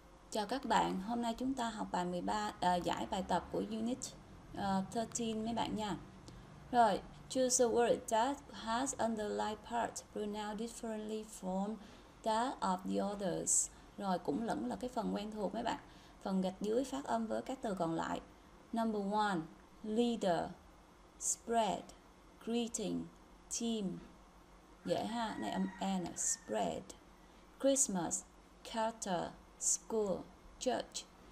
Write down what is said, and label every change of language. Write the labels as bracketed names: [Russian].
[Vietnamese] Chào các bạn, hôm nay chúng ta học bài 13 giải bài tập của unit 13 mấy bạn nha. Rồi, [English] choose a word that has underlined part pronounced differently from that of the others. [Vietnamese] Rồi cũng lẫn là cái phần quen thuộc mấy bạn. Phần gạch dưới phát âm với các từ còn lại. [English] Number 1, leader, spread, greeting, team. [Vietnamese] Dễ ha, này âm e nè, [English] spread. Christmas, character, school, church.